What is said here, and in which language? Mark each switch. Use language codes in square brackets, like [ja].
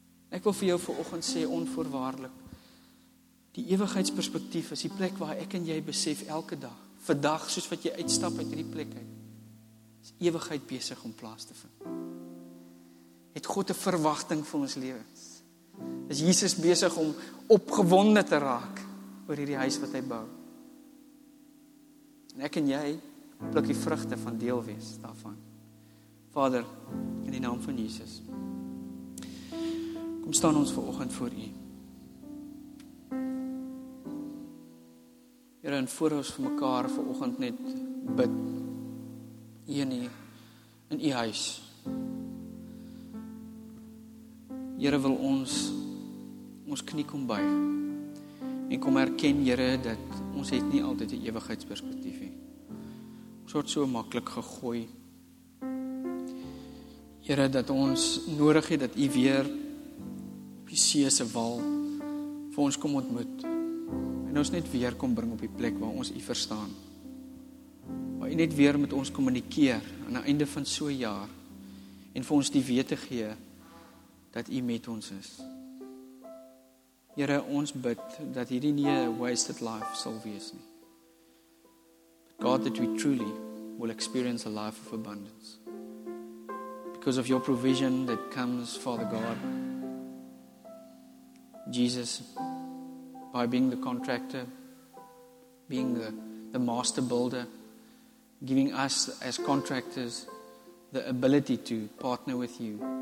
[af] Ek wil vir jou vanoggend sê onvoorwaardelik, die ewigheidsperspektief is die plek waar ek en jy besef elke dag, vandag soos wat jy uitstap uit hierdie plek uit, is ewigheid besig om plaas te vind. Het God 'n verwagting vir ons lewens? Is Jesus besig om opgewonde te raak oor hierdie huis wat hy bou? En ek en jy pluk die vrugte van deel wees daarvan. Vader, in die naam van Jesus, kom staan ons vanoggend voor U. Here, en voor ons vir mekaar vanoggend net bid, in die huis. Here, wil ons knie kom by en kom erken, Here, dat ons het nie altyd 'n ewigheidsperspektief nie. Ons word so maklik gegooi. Here, dat ons nodig het dat U weer op die see se wal vir ons kom ontmoet en ons net weer kom bring op die plek waar ons U verstaan. Maar U net weer met ons kommunikeer aan die einde van so 'n jaar en vir ons die wete gee dat U met ons is. Here, ons bid dat hierdie nie 'n wasted life sal wees nie. [en] But God, that we truly will experience a life of abundance. Because of your provision that comes, Father God, Jesus, by being the contractor, being the master builder, giving us as contractors the ability to partner with You.